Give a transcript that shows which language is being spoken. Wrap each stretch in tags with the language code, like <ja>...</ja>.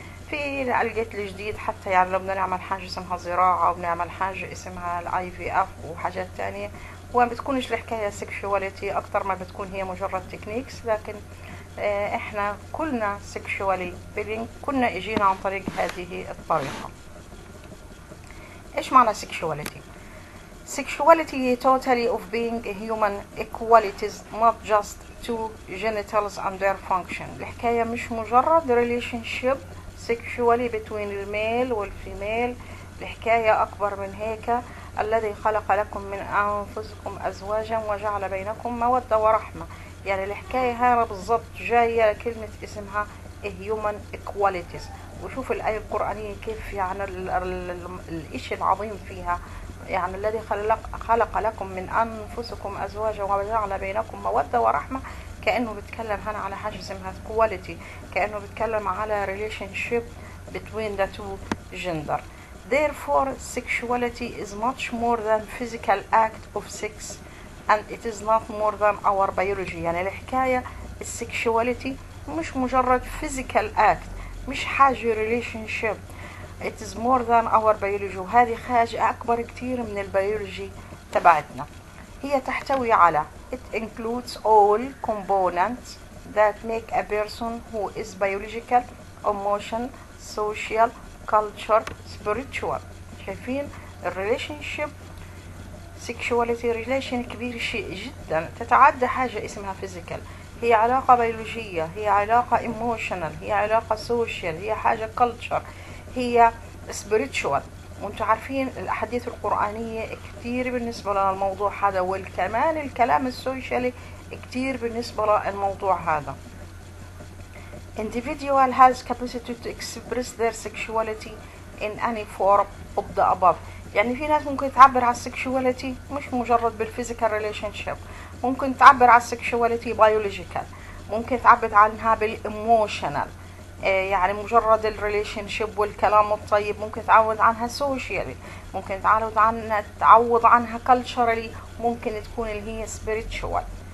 <ar>في الجيت الجديد حتى يعني لو بدنا نعمل حاجة اسمها زراعة وبنعمل حاجة اسمها الاي في اف وحاجات تانية، وما بتكونش الحكاية سكشواليتي اكتر ما بتكون هي مجرد تكنيكس، لكن احنا كلنا سكشوالي بيلينج، كنا اجينا عن طريق هذه الطريقة. ايش معنى سكشواليتي؟</ar> <en>Sexuality totally of being a human equalities not just two genitals and their function.</en> <ar>الحكاية مش مجرد</ar> <en>relationship sexually between the male</en> <ar>والfemale، الحكاية أكبر من هيك. الذي خلق لكم من أنفسكم أزواجا وجعل بينكم مودة ورحمة، يعني الحكاية هنا بالضبط جاية كلمة اسمها</ar> <en>a human equalities.</en> <ar>وشوف الآية القرآنية كيف يعني الإشي العظيم فيها، يعني الذي خلق لكم من أنفسكم أزواجا وجعل بينكم مودة ورحمة، كأنه بتكلم هنا على حاجة اسمها quality، كأنه بتكلم على</ar> <en>relationship between the two gender. Therefore sexuality is much more than physical act of sex and it is not more than our biology.</en> <ar>يعني الحكاية sexuality مش مجرد</ar> <en>physical act،</en> <ar>مش حاجة relationship،</ar> <en>it is more than our biology،</en> <ar>وهذه حاجة أكبر كتير من البيولوجي تبعتنا. هي تحتوي على</ar> <en>it includes all components that make a person who is biological, emotional, social, culture, spiritual.</en> <ar>شايفين relationship sexuality relation كبير شيء جدا، تتعدى حاجة اسمها physical، هي علاقة بيولوجية، هي علاقة emotional، هي علاقة social، هي حاجة culture، هي spiritual. وانتم عارفين الاحاديث القرآنية كتير بالنسبة للموضوع هذا، والكمان الكلام السوشيالي كتير بالنسبة للموضوع هذا.</ar> <en>Individual has capacity to express their sexuality in any form of the above.</en> <ar>يعني في ناس ممكن تعبر على sexuality مش مجرد بالphysical relationship، ممكن تعبر على sexuality biological، ممكن تعبر عنها بالemotional، يعني مجرد الريليشن شيب والكلام الطيب، ممكن تعوض عنها سوشيالي، ممكن تعوض عنها كلتشرالي، ممكن تكون اللي هي سبيريتشوال.</ar>